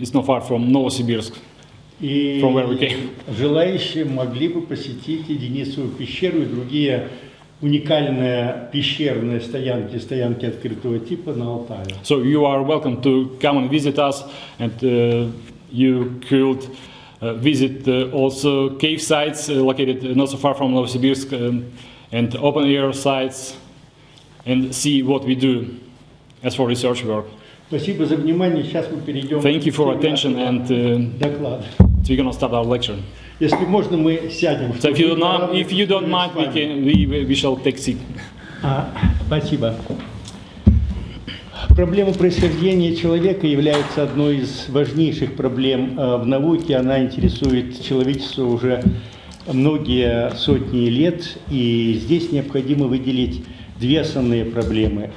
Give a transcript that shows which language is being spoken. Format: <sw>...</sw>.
<en>It's not far from Novosibirsk, from where we came.</en> <ru>Желающие могли бы посетить Денисову пещеру и другие уникальные пещерные стоянки, стоянки открытого типа на Алтае.</ru> <en>So you are welcome to come and visit us, and you could visit also cave sites located not so far from Novosibirsk, and open air sites, and see what we do as for research work.</en> <ru>Спасибо за внимание. Сейчас мы перейдем.</ru> <en>Thank you for attention and</en> <ru>доклад.</ru> <en>So we're going to start our lecture.</en> <ru>Если можно, мы сядем.</ru> <en>So if you don't mind, we shall take seat.</en> <ru>Спасибо. Проблема происхождения человека является одной из важнейших проблем в науке. Она интересует человечество уже многие сотни лет. И здесь необходимо выделить две основные проблемы.</ru>